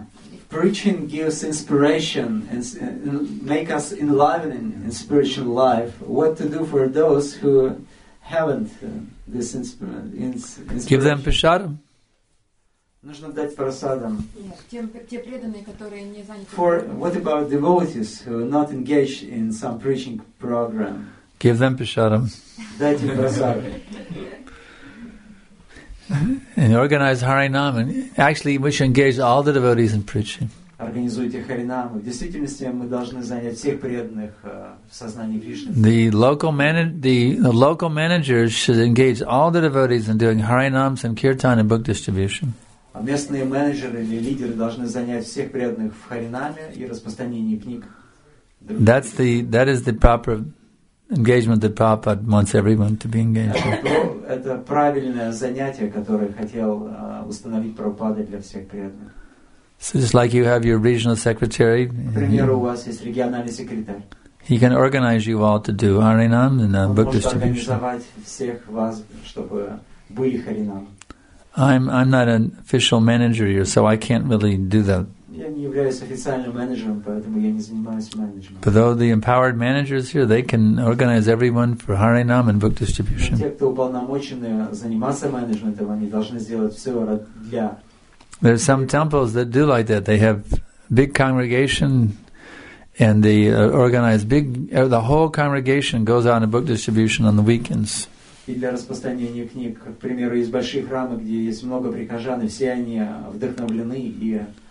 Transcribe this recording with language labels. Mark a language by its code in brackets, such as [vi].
[en] If preaching gives inspiration and make us enlivening in spiritual life, what to do for those who haven't this inspiration? Give them prasadam. [ru] Нужно дать прасадам. Те преданные, которые не заняты. [en] For what about devotees who are not engaged in some preaching program? Give them prasadam. [ru] Дайте прасадам. [en] And organize Harinam, and actually we should engage all the devotees in preaching. [ru] Организуйте Харинаму. В действительности мы должны занять всех преданных в сознании Кришны. [en] The local managers should engage all the devotees in doing Harinams and Kirtan and book distribution. [ru] А местные менеджеры или лидеры должны занять всех преданных в Харинаме и распространении книг. [en] That is the proper engagement that Prabhupada wants everyone to be engaged in. [ru] Это правильное занятие, которое хотел установить Прабхупада для всех преданных. [en] So just like you have your regional secretary. [ru] Например, у вас есть региональный секретарь. [en] He can organize you all to do Harinam and book distribution. [ru] Он может организовать всех вас, чтобы были Харинам. [en] I'm not an official manager here, so I can't really do that. [ru] Я не являюсь официальным менеджером, поэтому я не занимаюсь менеджментом. [en] But though the empowered managers here, they can organize everyone for Harinam and book distribution. [ru] Те, кто уполномочены заниматься менеджментом, они должны сделать все для. [en] There are some temples that do like that. They have big congregation, and they organize big. The whole congregation goes out in book distribution on the weekends. [ru] И для распространения книг, к примеру, есть большие храмы, где есть много прихожан, и все они вдохновлены и.